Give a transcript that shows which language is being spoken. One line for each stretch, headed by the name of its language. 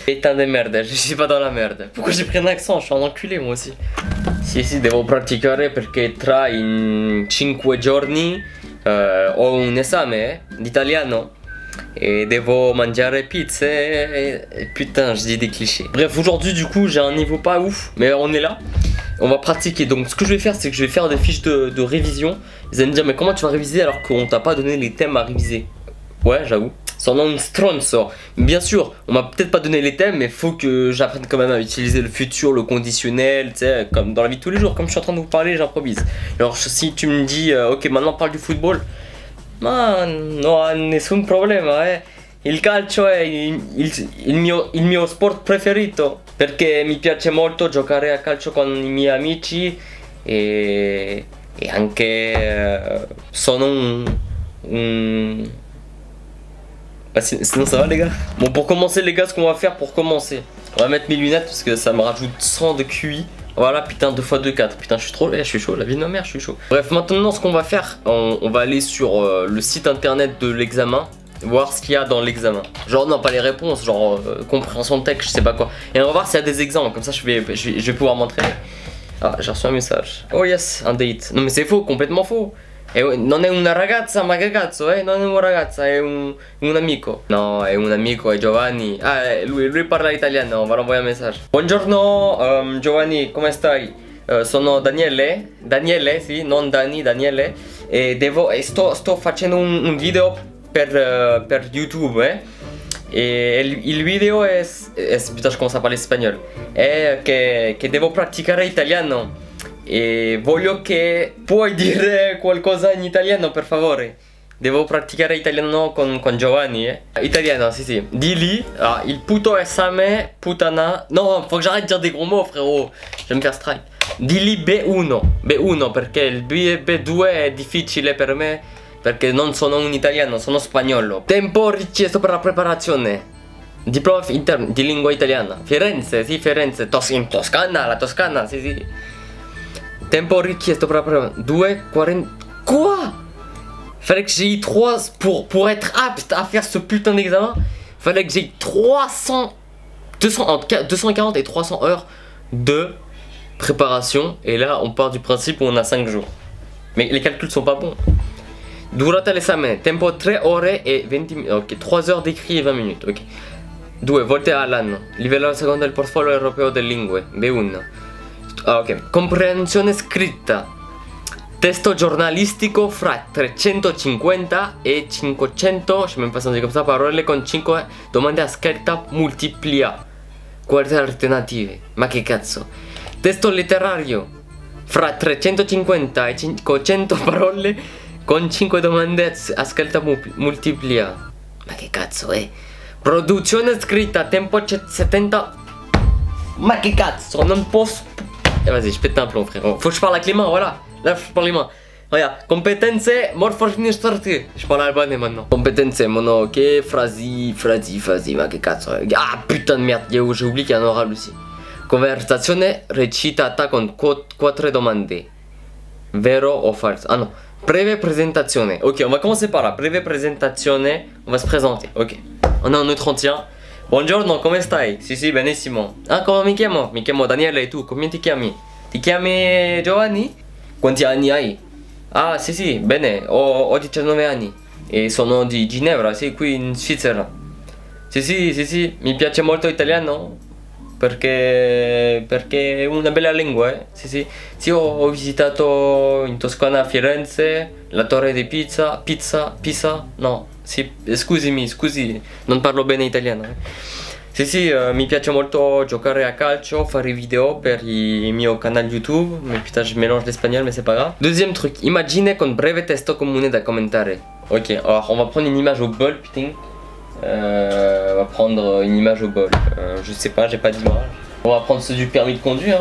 French: Putain de merde, je suis pas dans la merde. Pourquoi j'ai pris un accent? Je suis un enculé moi aussi.
Italian: Si, devo praticare perché tra in 5 giorni ho un esame d'italiano. Et devo mangiare pizza.
French: Putain, je dis des clichés. Bref, aujourd'hui du coup j'ai un niveau pas ouf, mais on est là. On va pratiquer, donc ce que je vais faire, c'est que je vais faire des fiches de révision. Ils vont me dire, mais comment tu vas réviser alors qu'on t'a pas donné les thèmes à réviser? Ouais, j'avoue. Son nom stronzo. Bien sûr, on m'a peut-être pas donné les thèmes, mais faut que j'apprenne quand même à utiliser le futur, le conditionnel, tu sais, comme dans la vie de tous les jours. Comme je suis en train de vous parler, j'improvise. Alors si tu me dis, ok, maintenant on parle du football. Man,
Italian: non, nessun problema, eh. Il calcio è il mio sport preferito. Perché mi piace molto giocare a calcio con i miei amici e anche sono un...
French: Bah, sinon ça va les gars. Bon, pour commencer les gars, ce qu'on va faire pour commencer, on va mettre mes lunettes parce que ça me rajoute 100 de QI. Voilà, putain, 2x2, 4. Putain, je suis chaud, la vie de ma mère, je suis chaud. Bref, maintenant ce qu'on va faire, on va aller sur le site internet de l'examen. Voir ce qu'il y a dans l'examen. Genre non, pas les réponses, genre compréhension de texte, je sais pas quoi. Et on va voir s'il y a des exemples, comme ça je vais pouvoir m'entraîner. Ah, j'ai reçu un message. Oh yes, un date. Non mais c'est faux, complètement faux.
Italian: Et non è una ragazza, ma che cazzo, non è una ragazza, è un amico. No, è un amico, è Giovanni. Ah, lui parla italiano,
French: va l'envoyer un message.
Italian: Buongiorno, Giovanni, come stai? Sono Daniele. Daniele, sì, non Dani, Daniele. E devo, e sto facendo un video per YouTube, il video è
French: putain, je commence à parler espagnol,
Italian: è che devo praticare italiano e voglio che puoi dire qualcosa in italiano per favore. Devo praticare italiano con Giovanni, italiano, sì. Di lì, il puto esame, putana.
French: No, faut que j'arrête de dire des gros mots, frérot. Je vais me faire strike.
Italian: Di lì B1 perché il B2 è difficile per me. Perché non sono un italiano, sono spagnolo. Tempo richiesto per la preparazione. Diploma interno di lingua italiana. Firenze, sì, Firenze. In Toscana, la Toscana, sì. Tempo richiesto per la preparazione.
French: 2:40. Quoi? Fallait que j'ai 3 pour être apte à faire ce putain d'examen. Fallait que j'ai 240 et 300 heures de préparation. Et là, on part du principe où on a 5 jours. Mais les calculs sont pas bons.
Italian: Durata l'esame, tempo 3 ore e 20 minuti. Ok, 3 ore d'écrit e 20 minuti. Ok. 2 volte all'anno. Livello secondo del portfolio europeo delle lingue. B1. Ah, ok. Comprensione scritta. Testo giornalistico fra 350 e 500. Ci abbiamo passato di questa parola con 5 domande a scelta multipla. Quali alternative? Ma che cazzo? Testo letterario. Fra 350 e 500 parole con 5 domande ascolta multiplia. Ma che cazzo è? Produzione scritta, tempo 70. Ma che cazzo, non posso.
French: Vas-y, je pète un plomb, frère. Faut que je parle avec les mains, voilà. Là, faut que je parle les mains. Regarde, compétence, morfologie, je parle albanais maintenant.
Italian: Compétence, mono, ok. Frasi, ma che cazzo.
French: Ah, putain de merde, j'ai oublié qu'il y a un oral aussi.
Italian: Conversazione recitata con quattro domande. Vero o falso?
French: Ah non, breve presentazione. Ok, on va commencer par là.
Italian: Breve presentazione,
French: on va se présenter. Ok, on a un autre entier.
Italian: Bonjour, come stai? Sì, benissimo. Ah, come mi chiamo? Mi chiamo Daniele, e tu? Come ti chiami? Ti chiami Giovanni? Quanti anni hai? Ah, sì, bene, ho 19 anni. E sono di Ginevra, sì, qui in Svizzera. Sì, mi piace molto l'italiano. Perché è una bella lingua, eh? Sì. Sì, ho visitato in Toscana Firenze, la Torre di Pisa, no. Sì, scusi, non parlo bene italiano. Sì, mi piace molto giocare a calcio, fare video per il mio canale YouTube.
French: Ma putain, je mélange l'espagnol, mais c'est pas grave. Deuxième truc,
Italian: immagine con breve testo comune da commentare.
French: Ok, alors on va prendre une image au bol, putain. On va prendre une image au bol. Je sais pas, j'ai pas d'image. On va prendre ceux du permis de conduire.